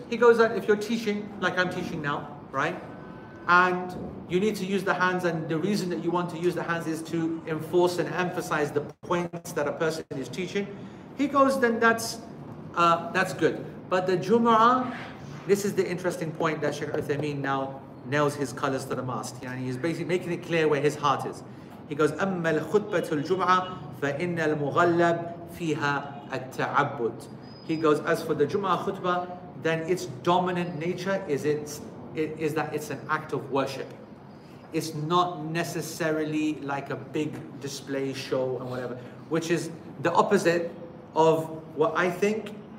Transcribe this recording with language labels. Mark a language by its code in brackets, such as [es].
[en] He goes that if you're teaching, like I'm teaching now, right? And you need to use the hands, and the reason that you want to use the hands is to enforce and emphasize the points that a person is teaching. He goes, then that's good. But the Jumu'ah, this is the interesting point that Sheikh Uthaymeen now nails his colors to the mast. Yeah, and he's basically making it clear where his heart is. [ar] He goes, أما الخطبة الجمعة فإن المغلب فيها التعبد. [en] He goes, as for the Jum'ah khutbah, then its dominant nature is that it's an act of worship. It's not necessarily like a big display show and whatever, which is the opposite of what I think.